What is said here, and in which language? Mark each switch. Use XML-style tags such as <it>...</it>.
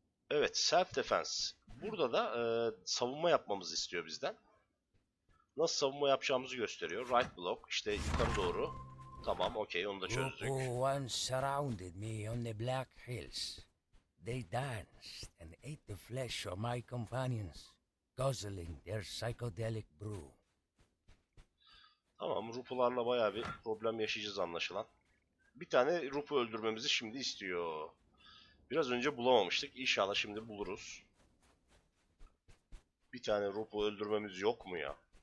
<tr>Evet,</tr> <en>self defense.</en> <tr>Burada da savunma yapmamızı istiyor bizden. Nasıl savunma yapacağımızı gösteriyor.</tr> <en>Right block,</en> <tr>işte yukarı doğru. Tamam, okey, onu da çözdük.</tr> <en>They danced and ate the flesh of my companions, guzzling their psychedelic brew.</en> <tr>Tamam, Rupu'larla bayağı bir problem yaşayacağız anlaşılan. Bir tane Rupu öldürmemizi şimdi istiyor. Biraz önce bulamamıştık. İnşallah şimdi buluruz. Bir tane Rupu öldürmemiz yok mu ya?</tr>